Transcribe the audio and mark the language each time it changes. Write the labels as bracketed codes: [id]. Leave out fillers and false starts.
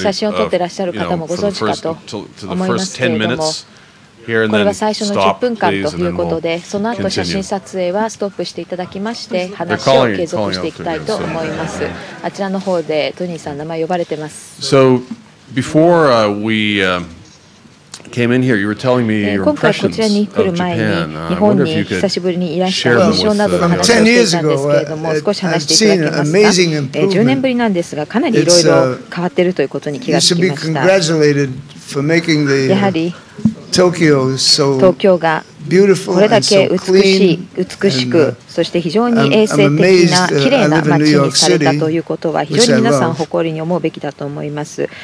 [ja] 写真を撮ってらっしゃる方もご存知かと思いますけれども、これは最初の10分間ということで、その後写真撮影はストップしていただきまして、話を継続していきたいと思います。あちらの方でトニーさん名前呼ばれてます。 [en] So before we came in here, you were telling me your impressions of Japan. I wonder if you could share them with us. 10 years ago, I've seen amazing improvement. It's to be congratulated for making the Tokyo so beautiful and so clean. [ja] そして非常に衛生的な綺麗な街にされたということは非常に皆さん誇りに思うべきだと思います。